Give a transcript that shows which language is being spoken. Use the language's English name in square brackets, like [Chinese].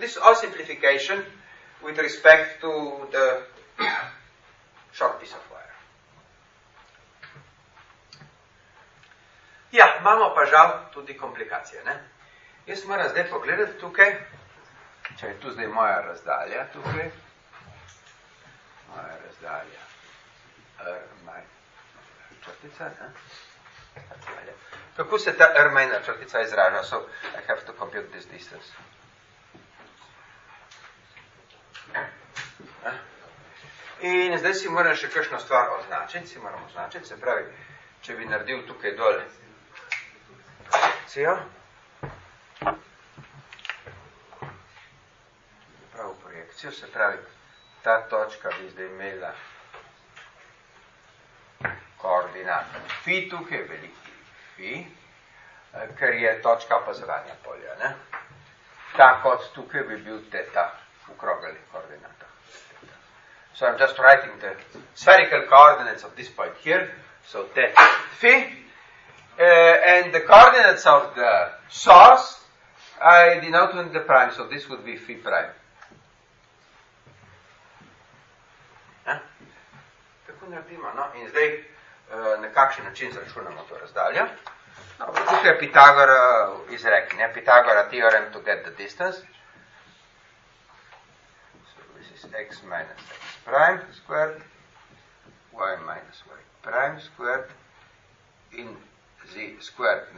[English] This is all simplification with respect to the short piece of wire. [Slovenian] Ja, imamo pa žal tudi komplikacije. Ne? Jaz moram zdaj pogledati tukaj, če je tu zdaj moja razdalja tukaj, moja razdalja, črtica, ne? Kako se ta R minor črtica izraža? [English] So, I have to compute this distance. [Slovenian] In zdaj si moram še kakšno stvar označiti, si moram označiti, se pravi, če bi naredil tukaj dole cijo, pravo projekcijo, se pravi, ta točka bi zdaj imela koordinatno fi tukaj, veliki fi, ker je točka opazovanja polja. Ne? Tako od tukaj bi bil teta v krogeljih koordinatah. [English] So I'm just writing the spherical coordinates of this point here, so teta fi, and the coordinates of the source, I denote in the prime, so this would be fi prime. [Slovenian] Naredimo, no? In zdaj na kakšen način zračunamo to razdaljo. No, tukaj je Pitagora izrek, ne? [English] Pitagora theorem to get the distance. So this is x minus x prime squared, y minus y prime squared in z squared.